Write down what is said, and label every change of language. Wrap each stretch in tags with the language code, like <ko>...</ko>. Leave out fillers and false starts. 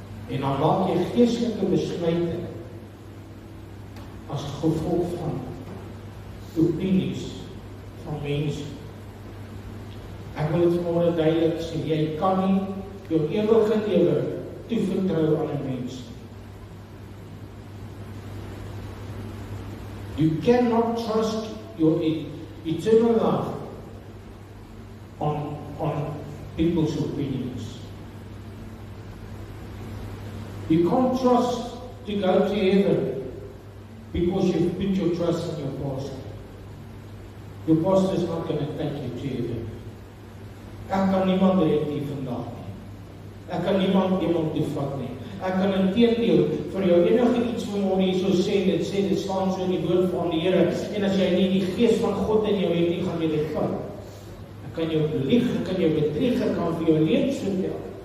<af>En dan maak jy geestelike besluite as gevolg van opinies van mense. Ek wil dit vanmôre duidelik sê, jy kan nie jou ewige lewe toevertrou aan 'n mens.</af> <en>You cannot trust your eternal life on people's opinions. You can't trust to go to heaven because you've put your trust in your pastor. Your pastor is not going to take you to heaven.</en> <af>Ek kan niemand red nie vandag. Ek kan niemand iemand toevat nie. Ek kan inteendeel vir jou enige iets vanmôre hierso sê, dit sê dit staan so in die woord van die Here, en as jy nie die Gees van God in jou het nie, gaan jy dit vat. Ek kan jou lieg, ek kan jou bedrieg, ek kan vir jou leuns vertel.</af>